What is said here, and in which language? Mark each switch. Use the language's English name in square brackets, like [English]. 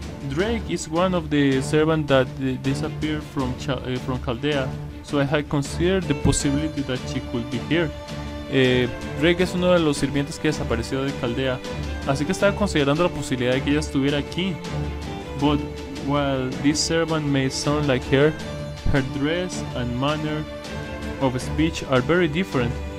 [English] Drake is one of the servants that disappeared from Chaldea, so I had considered the possibility that she could be here. [Spanish] Drake es uno de los sirvientes que desapareció de Chaldea, así que estaba considerando la posibilidad de que ella estuviera aquí. [English] But while this servant may sound like her, her dress and manner of speech are very different.